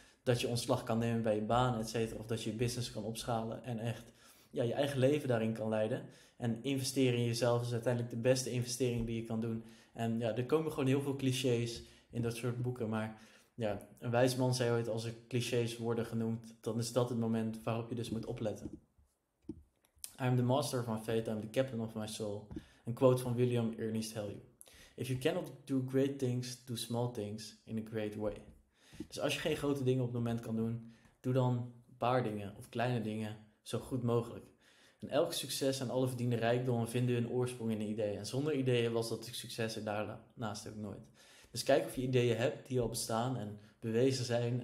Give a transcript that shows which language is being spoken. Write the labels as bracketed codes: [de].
[nl] Dat je ontslag kan nemen bij je baan, et cetera. Of dat je je business kan opschalen en echt ja, je eigen leven daarin kan leiden. En investeren in jezelf is uiteindelijk de beste investering die je kan doen. En ja, er komen gewoon heel veel clichés in dat soort boeken, maar ja, een wijs man zei ooit, als er clichés worden genoemd, dan is dat het moment waarop je dus moet opletten. [en] I'm the master of my fate, I'm the captain of my soul. [nl] Een quote van William Ernest Helyu. [en] If you cannot do great things, do small things in a great way. [nl] Dus als je geen grote dingen op het moment kan doen, doe dan een paar dingen of kleine dingen zo goed mogelijk. En elk succes en alle verdiende rijkdommen vinden hun oorsprong in een idee. En zonder ideeën was dat succes er daarnaast ook nooit. Dus kijk of je ideeën hebt die al bestaan en bewezen zijn.